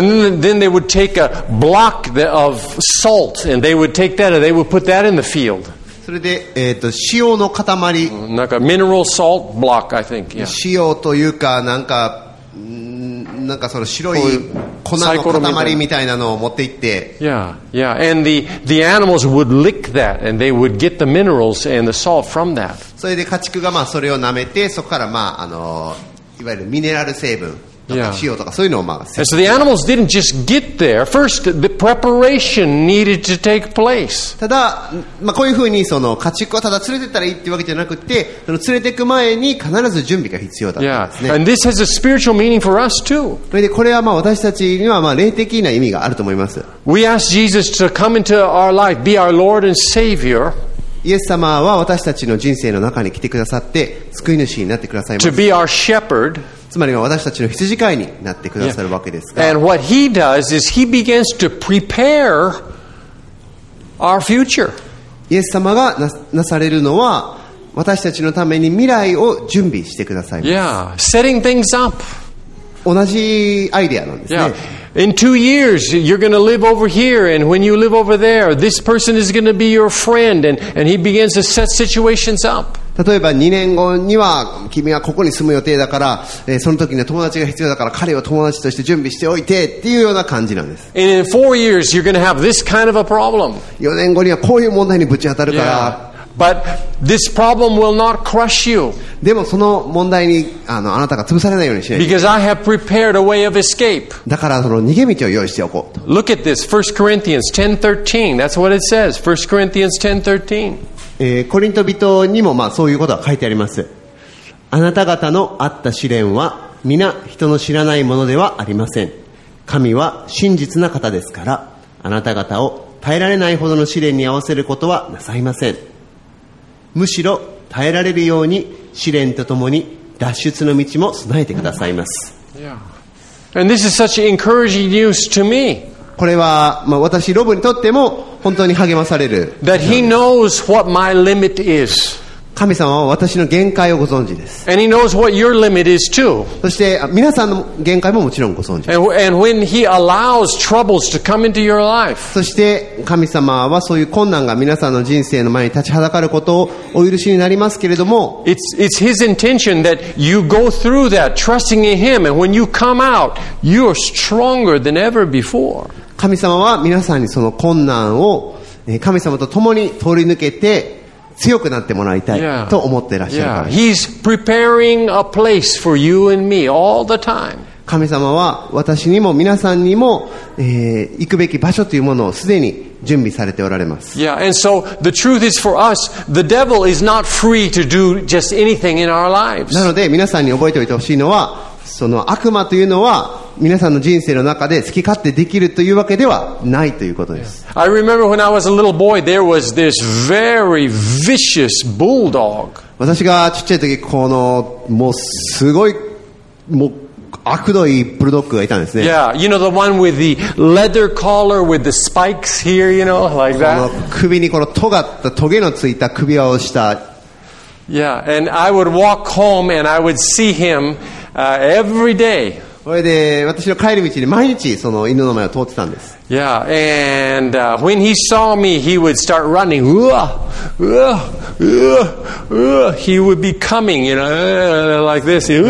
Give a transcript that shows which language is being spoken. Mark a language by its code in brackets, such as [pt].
[en] And then they would take a block of salt and they would take that and they would put that in the field. [ja] それで、塩の塊、なんかミネラルソルトブロック、 [en] I think、 yeah. [ja] 塩というかなんか、なんかその白い粉の塊みたいなのを持って行って、 [en] yeah, yeah, and the animals would lick that and they would get the minerals and the salt from that。 [ja] それで家畜がまあそれを舐めて、そこからまああのいわゆるミネラル成分。 [en] Yeah. And so the animals didn't just get there. First, the preparation needed to take place. [ja] ただ、まあ、こういうふうにその家畜をただ連れてったらいいっていうわけじゃなくて、その連れていく前に必ず準備が必要だったんですね。 [en] Yeah. And this has a spiritual meaning for us too. [ja] それでこれはまあ私たちにはまあ霊的な意味があると思います。 [en] We ask Jesus to come into our life, be our Lord and Savior. [ja] イエス様は私たちの人生の中に来てくださって救い主になってくださいます。 [en] To be our shepherd. [ja] つまりは私たちの羊飼いになってくださるわけですが、 [en] And what he does is he begins to prepare our future. [ja] イエス様がなされるのは私たちのために未来を準備してくださいます。 [en] Yeah, setting things up. [ja] 同じアイデアなんですね。 [en] Yeah. In 2 years, you're going to live over here, and when you live over there, this person is going to be your friend, and he begins to set situations up. [ja] 例えば2年後には君がここに住む予定だから、その時には友達が必要だから彼を友達として準備しておいてっていうような感じなんです。 [en] And in 4 years, you're going to have this kind of a problem. [ja] 4年後にはこういう問題にぶち当たるから。 [en] Yeah. But this problem will not crush you. [ja] でもその問題にあなたが潰されないようにしない。 [en] Because I have prepared a way of escape. [ja] だからその逃げ道を用意しておこうと。 [en] Look at this, 1 Corinthians 10:13. That's what it says. 1 Corinthians 10:13. [ja] コリント人にもまあそういうことは書いてあります。あなた方のあった試練は皆人の知らないものではありません。神は真実な方ですから、あなた方を耐えられないほどの試練に合わせることはなさいません。むしろ耐えられるように試練とともに脱出の道も備えてくださいます。 [en] And this is such encouraging news to me. [ja] これは、まあ、私ロブにとっても本当に励まされる。 [en] That he knows what my limit is. [ja] 神様は私の限界をご存知です。 [en] And he knows what your limit is too. [ja] そして皆さんの限界ももちろんご存知です。 [en] And when he allows troubles to come into your life. [ja] そして神様はそういう困難が皆さんの人生の前に立ちはだかることをお許しになりますけれども、 [en] It's his intention that you go through that trusting in him. And when you come out, you are stronger than ever before. [ja] 神様は皆さんにその困難を神様と共に通り抜けて強くなってもらいたいと思ってらっしゃるからです。 [en] He's preparing a place for you and me all the time. [ja] 神様は私にも皆さんにも、行くべき場所というものをすでに準備されておられます。 [en] Yeah, and so the truth is for us, the devil is not free to do just anything in our lives. [ja] なので皆さんに覚えておいてほしいのは、その悪魔というのは皆さんの人生の中で好き勝手できるというわけではないということです。 [en] I remember when I was a little boy, there was this very vicious bulldog. [ja] 私がちっちゃい時、このもうすごいもう悪どいブルドッグがいたんですね。 [en] Yeah, you know the one with the leather collar with the spikes here, you know, like that. [ja] 首にこの尖ったトゲのついた首輪をした。 [en] Yeah, and I would walk home and I would see him every day. [ja] それで私の帰り道に毎日その犬の前を通ってたんです。 [en] Yeah, and when he saw me, he would start running. He would be coming, you know, like this.